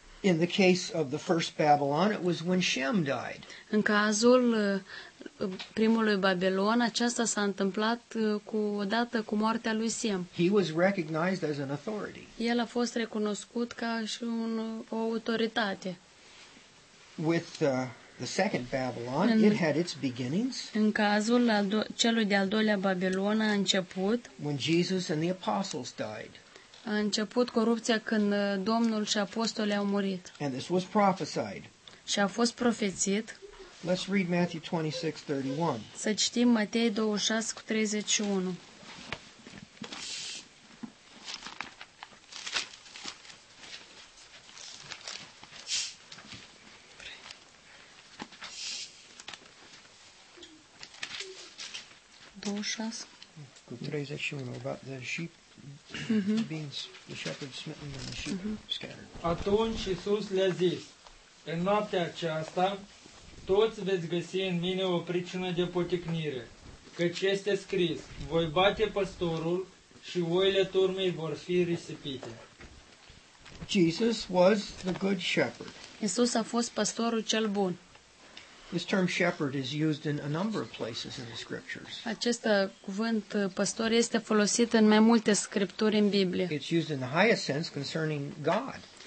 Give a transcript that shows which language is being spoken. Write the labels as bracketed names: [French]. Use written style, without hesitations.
[English] In the case of the first Babylon, it was when Shem died. [Romanian] În cazul primului Babilon, aceasta s-a întâmplat odată cu moartea lui Sem. [English] He was recognized as an authority. [Romanian] El a fost recunoscut ca și o autoritate. [English] With The second Babylon, it had its beginnings. [Romanian] În cazul celui de-al doilea Babilon a început. [English] When Jesus and the apostles died. [Romanian] A început corupția când Domnul și apostolii au murit. [English] And this was prophesied. [Romanian] Și a fost profețit. [English] Let's read Matthew 26:31. [Romanian] Să citim Matei 26:31. [English] Cu 31, about the sheep being the shepherd smitten and the sheep scattered. [Romanian] Atunci Iisus le-a zis, în noaptea aceasta, toți veți găsi în mine o pricină de poticnire, căci este scris, voi bate păstorul și oile turmei vor fi risipite. [English] Jesus was the good shepherd. [Romanian] Iisus a fost păstorul cel bun. [English] This term shepherd is used in a number of places in the scriptures. [Romanian] Acest cuvânt păstor este folosit în mai multe scripturi în Biblie. [English] It's used in the highest sense concerning God.